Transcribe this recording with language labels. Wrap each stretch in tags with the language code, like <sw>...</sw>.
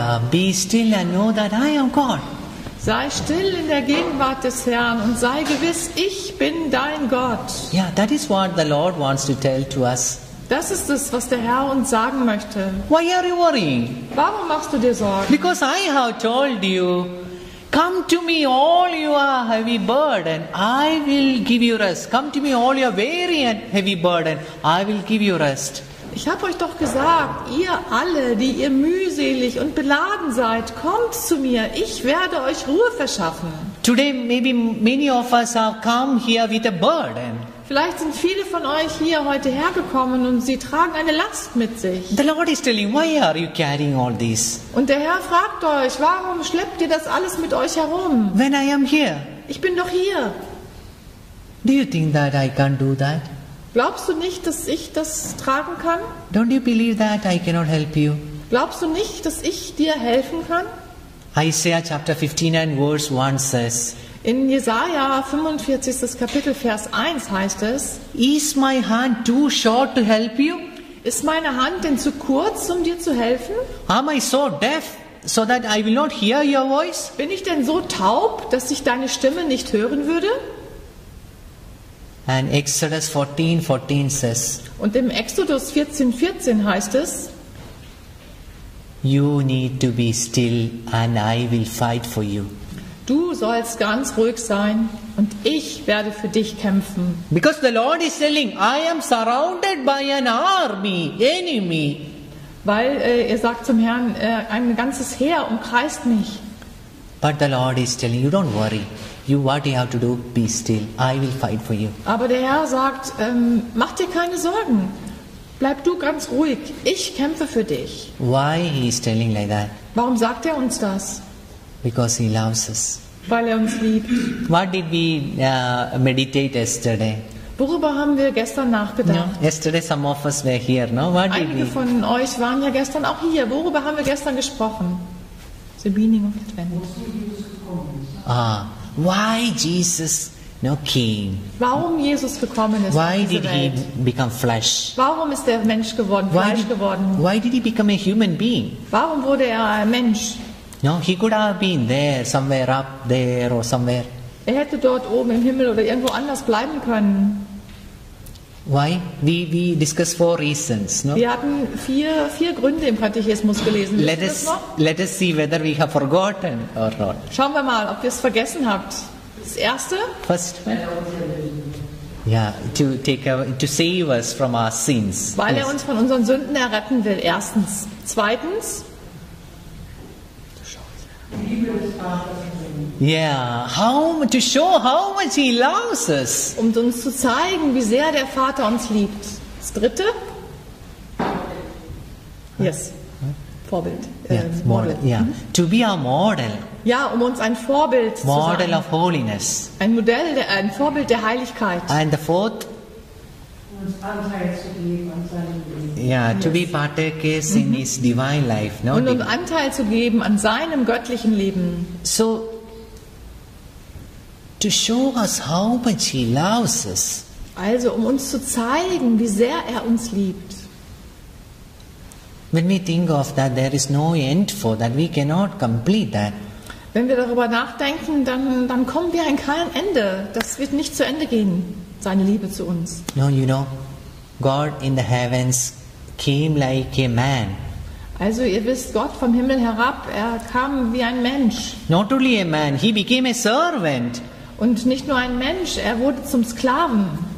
<en>Be still and know that I am God.</en> <de>Sei still in der Gegenwart des Herrn und sei gewiss, ich bin dein Gott.</de> <en>Yeah, that is what the Lord wants to tell to us.</en> <de>Das ist es, was der Herr uns sagen möchte.</de> <en>Why are you worrying?</en> <de>Warum machst du dir Sorgen?</de> <en>Because I have told you, come to me all you are heavy burden, I will give you rest. Come to me all you are weary and heavy burden, I will give you rest.</en> <de>Ich habe euch doch gesagt, ihr alle, die ihr mühselig und beladen seid, kommt zu mir. Ich werde euch Ruhe verschaffen.</de> <en>Today maybe many of us have come here with a burden.</en> <de>Vielleicht sind viele von euch hier heute hergekommen und sie tragen eine Last mit sich.</de> <en>The Lord is telling, why are you carrying all this?</en> <de>Und der Herr fragt euch, warum schleppt ihr das alles mit euch herum?</de> <en>When I am here.</en> <de>Ich bin doch hier.</de> <en>Do you think that I can do that?</en> <de>Glaubst du nicht, dass ich das tragen kann?</de> <en>Don't you believe that I cannot help you?</en> <de>Glaubst du nicht, dass ich dir helfen kann?</de> <en>Isaiah chapter 15 and verse 1 says.</en> <de>In Jesaja 45, das Kapitel Vers 1 heißt es.</de> <en>Is my hand too short to help you?</en> <de>Ist meine Hand denn zu kurz, um dir zu helfen?</de> <en>Am I so deaf so that I will not hear your voice?</en> <de>Bin ich denn so taub, dass ich deine Stimme nicht hören würde?</de> <en>And Exodus 14:14 says.</en> <de>Und im Exodus 14:14 heißt es.</de> <en>You need to be still, and I will fight for you.</en> <de>Du sollst ganz ruhig sein, und ich werde für dich kämpfen.</de> <en>Because the Lord is telling, I am surrounded by an army, enemy.</en> <de>Weil er sagt zum Herrn, ein ganzes Heer umkreist mich.</de> <en>But the Lord is telling you, don't worry. You, what you have to do, be still. I will fight for you.</en> <de>Aber der Herr sagt, mach dir keine Sorgen. Bleib du ganz ruhig. Ich kämpfe für dich.</de> <en>Why he is telling like that?</en> <de>Warum sagt er uns das?</de> <en>Because he loves us.</en> <de>Weil er uns liebt.</de> <en>What did we meditate yesterday?</en> <de>Worüber haben wir gestern nachgedacht?</de> <en>Yeah, yesterday some of us were here, no? What</en> <de>did Einige von euch waren ja gestern auch hier. Worüber haben wir gestern gesprochen?</de> <en>The meaning of Advent. Why Jesus, no king?</en> <de>Warum Jesus gekommen ist?</de> <en>Why did he become flesh?</en> <de>Warum ist der Mensch geworden, Fleisch geworden?</de> <en>Why did he become a human being?</en> <de>Warum wurde er ein Mensch?</de> <en>No, he could have been there, somewhere up there or somewhere.</en> <de>Er hätte dort oben im Himmel oder irgendwo anders bleiben können.</de> <en>Why? We discussed four reasons, no?</en> <de>Wir hatten vier Gründe im Katechismus gelesen.</de> <en>Let us see whether we have forgotten or not.</en> <de>Schauen wir mal, ob wir es vergessen habt. Das erste.</de> <en>First. Yeah, to save us from our sins.</en> <de>Weil er uns von unseren Sünden erretten will. Erstens. Zweitens.</de> <en>Yeah, to show how much he loves us.</en> <de>Um uns zu zeigen, wie sehr der Vater uns liebt. Das dritte? Yes. Vorbild.</de> <en>Model. To be our model.</en> <de>Ja, um uns ein Vorbild zu sein.</de> <en>Model of holiness.</en> <de>Ein Modell, ein Vorbild der Heiligkeit.</de> <en>And the fourth? To be partakers in his divine life, no?</en> <de>Und um Anteil zu geben an seinem göttlichen Leben.</de> <en>So, to show us how much he loves us.</en> <de>Also, um uns zu zeigen, wie sehr er uns liebt.</de> <en>When we think of that, there is no end for that. We cannot complete that.</en> <de>Wenn wir darüber nachdenken, dann kommen wir an kein Ende. Das wird nicht zu Ende gehen. Seine Liebe zu uns.</de> <en>No, you know, God in the heavens came like a man.</en> <de>Also ihr wisst, Gott vom Himmel herab, er kam wie ein Mensch.</de> <en>Not only a man, he became a servant.</en> <de>Und nicht nur ein Mensch, er wurde zum Sklaven.</de>